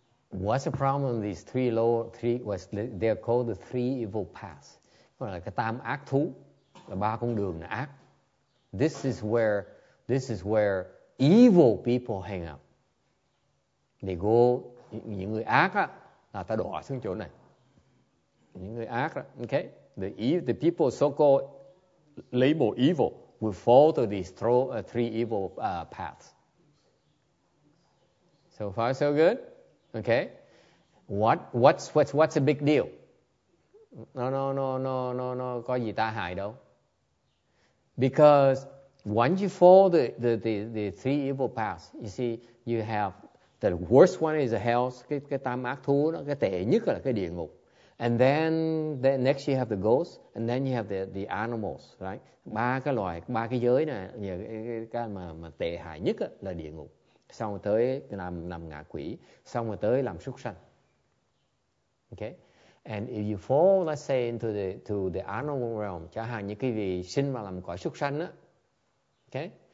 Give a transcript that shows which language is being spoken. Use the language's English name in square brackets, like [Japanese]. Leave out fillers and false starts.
[English] What's the problem with these three lower, three, what's, they're called the three evil paths. [Vietnamese] Gọi là cái tam ác thú, là ba con đường ác. [English] This is where evil people hang out. They go, [Vietnamese] những người ác á, là ta đọa xuống chỗ này. Những người ác á, okay? [English] The people so-called labeled evil will fall to these three evil paths. So far, so good? Okay, what's a big deal? No, [Vietnamese] có gì ta hại đâu. [English] Because once you fall the three evil paths, you see, you have the worst one is the hell, [Vietnamese] cái tam ác thú đó, cái tệ nhất là cái địa ngục. [English] And then next you have the ghosts, and then you have the animals, right? [Vietnamese] Ba cái loài, ba cái giới này, cái mà tệ hại nhất là địa ngục. Xong rồi tới làm ngạ quỷ, xong rồi tới làm súc sanh. Okay? [English] And if you fall, let's say, into the animal realm, [Vietnamese] chẳng hạn như cái vị sinh mà làm cõi súc sanh á, okay?